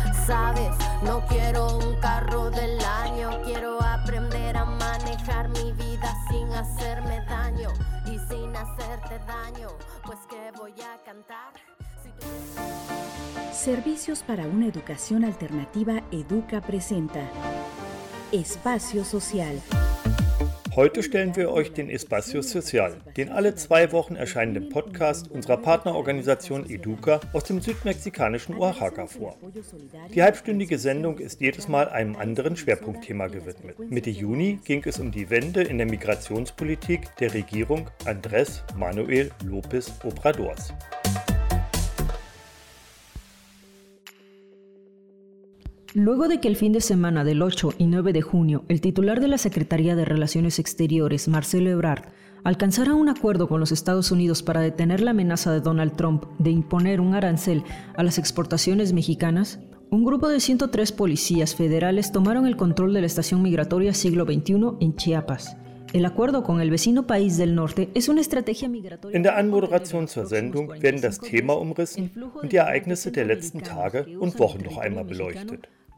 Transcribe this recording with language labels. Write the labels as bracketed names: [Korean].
[Spanish] Sabes, no quiero un carro del año, quiero aprender a manejar mi vida sin hacerme daño. Y sin hacerte daño, pues que voy a cantar. Si tú... Servicios para una educación alternativa Educa presenta Espacio Social. [German] Heute stellen wir euch den Espacio Social, den alle zwei Wochen erscheinenden Podcast unserer Partnerorganisation Educa aus dem südmexikanischen Oaxaca vor. Die halbstündige Sendung ist jedes Mal einem anderen Schwerpunktthema gewidmet. Mitte Juni ging es um die Wende in der Migrationspolitik der Regierung Andrés Manuel López Obradors. [Spanish] Luego de que el fin de semana del 8 y 9 de junio el titular de la Secretaría de Relaciones Exteriores, Marcelo Ebrard, alcanzara un acuerdo con los Estados Unidos para detener la amenaza de Donald Trump de imponer un arancel a las exportaciones mexicanas, un grupo de 103 policías federales tomaron el control de la estación migratoria Siglo XXI en Chiapas. El acuerdo con el vecino país del norte es una estrategia migratoria. [German] In der Anmoderation zur Sendung werden das Thema umrissen und die Ereignisse der letzten Tage und Wochen noch einmal beleuchtet.